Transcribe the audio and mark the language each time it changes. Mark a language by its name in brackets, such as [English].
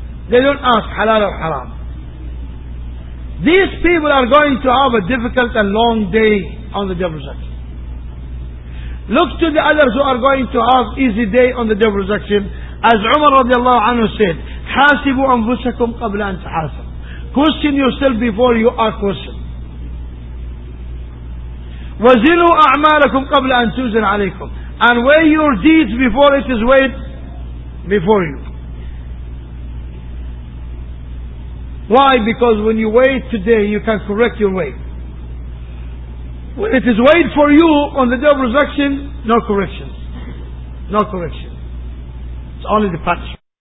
[English] They don't ask halal or haram. These people are going to have a difficult and long day on the day of resurrection. Look to the others who are going to have easy day on the day of resurrection. As Umar radiallahu anhu said, [Arabic] حاسبوا أنفسكم قبل أن تحاسب. [English] Question yourself before you are questioned. [Arabic] وزنوا أعمالكم قبل أن توزن عليكم. [English] And weigh your deeds before it is weighed before you. Why? Because when you weigh today, you can correct your weight. When it is weighed for you on the day of resurrection, no correction. No correction. It's only the punishment.